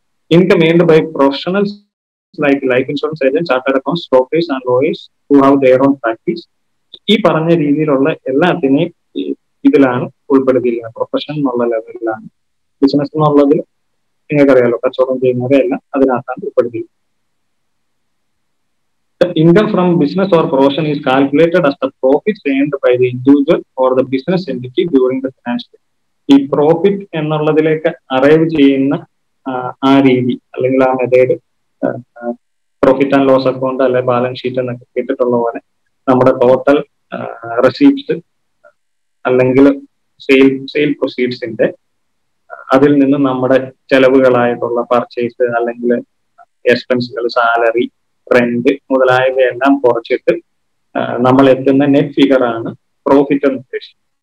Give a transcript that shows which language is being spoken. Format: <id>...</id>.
<en>Income earned by professionals like life insurance agent, chartered accounts, brokers and lawyers who have their own practice.</en> <ml>ഈ പറഞ്ഞ രീതിയിലുള്ള എല്ലാത്തിനെയും ഇതിലാണ് ഉൾപ്പെടുത്തിയിരിക്കുന്നത്, പ്രൊഫഷൻ എന്നുള്ള ലെവലിലാണ്. ബിസിനസ് എന്നുള്ളതിൽ നിങ്ങൾക്ക് അറിയാലോ കച്ചവടം ചെയ്യുന്നവരെല്ലാം അതിനകത്താണ് ഉൾപ്പെടുത്തിയത്.</ml> <en>The income from business or profession is calculated as the profit earned by the individual or the business entity during the financial year.</en> <ml>The profit എന്നുള്ളതിലേക്ക് arrive ചെയ്യുന്ന ആ രീതി അല്ലെങ്കിൽ ആ method profit and loss account അല്ലെ balance sheet എന്നൊക്കെ കേട്ടിട്ടുള്ള പോലെ നമ്മുടെ ടോട്ടൽ റെസീപ്റ്റ്സ് അല്ലെങ്കിൽ സെയിൽ പ്രൊസീഡ്സിന്റെ അതിൽ നിന്ന് നമ്മുടെ ചെലവുകളായിട്ടുള്ള പർച്ചേസ് അല്ലെങ്കിൽ എക്സ്പെൻസുകൾ സാലറി റെന്റ് മുതലായവയെല്ലാം കുറച്ചിട്ട് നമ്മൾ എത്തുന്ന നെറ്റ് ഫിഗർ ആണ് പ്രോഫിറ്റ് എന്ന് ഉദ്ദേശിക്കുന്നത്.</ml>